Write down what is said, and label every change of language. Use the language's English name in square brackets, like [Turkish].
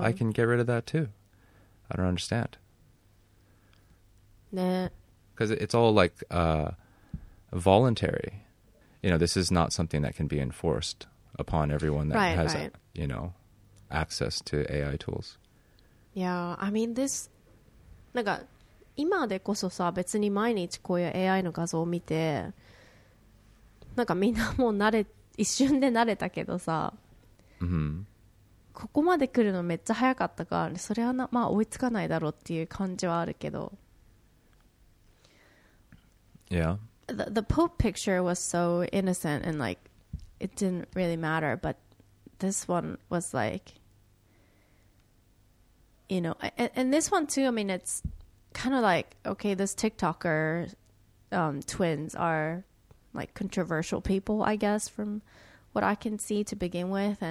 [English] I can get rid of that too. I don't understand. Nah. Because it's all like voluntary. You know, this is not something that can be enforced upon everyone that you know, access to AI tools. Yeah, I mean this, [Japanese] なんか今でこそさ、別に毎日こういう AI の画像を見て、なんかみんなもう慣れ、一瞬で慣れたけどさ、ここまで来るのめっちゃ早かったから、それはな、まあ追いつかないだろうっていう感じはあるけど。 [English] Yeah, the Pope picture was so innocent and like it didn't really matter, but this one was like, you know, and this one too, I mean, it's kind of like, okay, this TikToker twins are like controversial people, I guess, from what I can see to begin with.